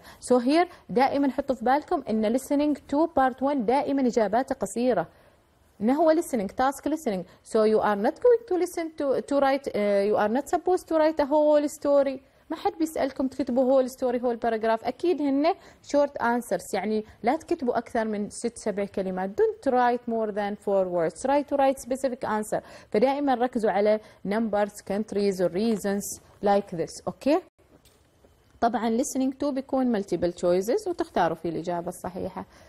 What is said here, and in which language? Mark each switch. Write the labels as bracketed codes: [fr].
[ar] So here دائما حطوا في بالكم إن listening to part 1 دائما إجابات قصيرة. [en] إنه هو listening task listening. So you are not going to listen to write. You are not supposed to write a whole story. [ar] ما حد بيسألكم تكتبوا whole story whole paragraph. أكيد هن short answers. يعني لا تكتبوا أكثر من 6-7 كلمات. [en] Don't write more than 4 words. Try to write specific answer. فدائما ركزوا على numbers, countries, or reasons like this. Okay. [ar] طبعا listening to بيكون multiple choices وتختاروا فيه الإجابة الصحيحة.